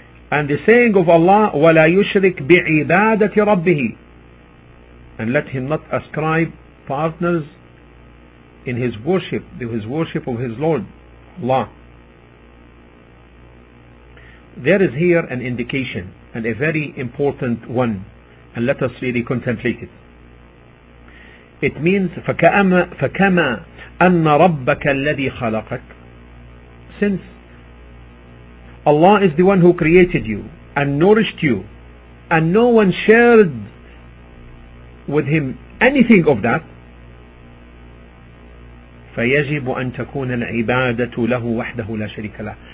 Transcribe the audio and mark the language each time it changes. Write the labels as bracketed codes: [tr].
[en] And the saying of Allah, [ar] وَلَا يُشْرِكْ بِعِبَادَةِ رَبِّهِ, [en] and let him not ascribe partners in his worship, to his worship of his Lord, Allah. There is here an indication, and a very important one, and let us really contemplate it. It means [ar] فكما أن ربك الذي خلقك. [en] Since Allah is the one who created you and nourished you and no one shared with him anything of that, [ar] فيجب أن تكون العبادة له وحده لا شريك له.